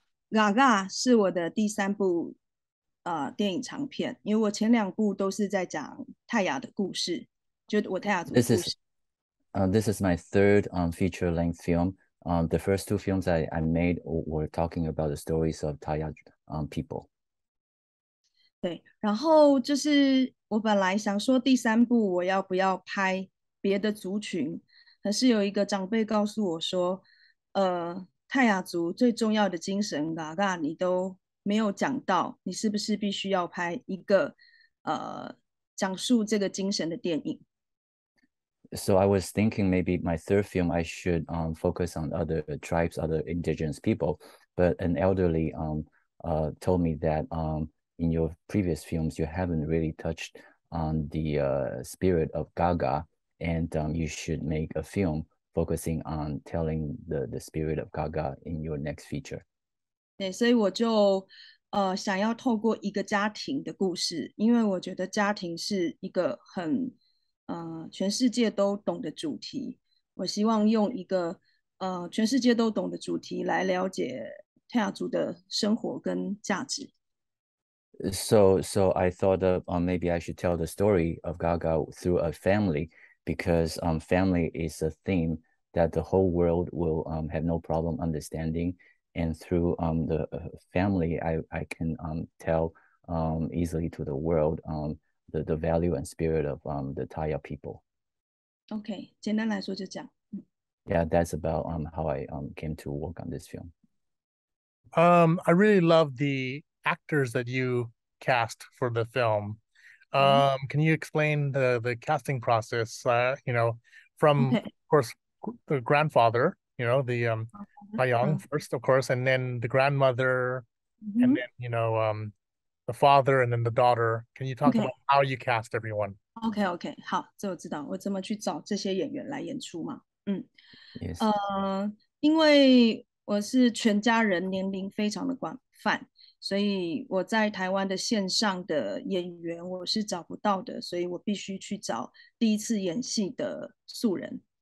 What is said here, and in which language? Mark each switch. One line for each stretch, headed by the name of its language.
Chinese: Gaga 是我的第三部电影长片，因为我前两部都是在讲泰雅的故事。
English: This is my third feature length film. The first two films I made were talking about the stories of Taiya people.
Chinese: 对，然后就是我本来想说第三部我要不要拍别的族群，可是有一个长辈告诉我说，泰雅族最重要的精神Gaga你都没有讲到，你是不是必须要拍一个讲述这个精神的电影？
English: So I was thinking maybe my third film I should focus on other tribes, other indigenous people. But an elderly told me that in your previous films you haven't really touched on the spirit of Gaga, and you should make a film focusing on telling the spirit of Gaga in your next feature.
Chinese: 对，所以我就想要透过一个家庭的故事，因为我觉得家庭是一个很全世界都懂的主题，我希望用一个全世界都懂的主题来了解泰雅族的生活跟价值。
English: So I thought of maybe I should tell the story of Gaga through a family, because family is a theme that the whole world will have no problem understanding, and through the family I can tell easily to the world the value and spirit of the Taiya people.
Chinese: Okay, 简单来说就这样。
English: Yeah, that's about how I came to work on this film. I really love the actors that you cast for the film. Can you explain the casting process? Of course, the grandfather, you know, the Taiyang first, of course, and then the grandmother, and then, you know, the father and then the daughter. Can you talk about how you cast everyone? Okay.
Chinese: 好，这我知道，我怎么去找这些演员来演出嘛？因为我是全家人年龄非常的广泛，所以我在台湾的线上的演员我是找不到的，所以我必须去找第一次演戏的素人。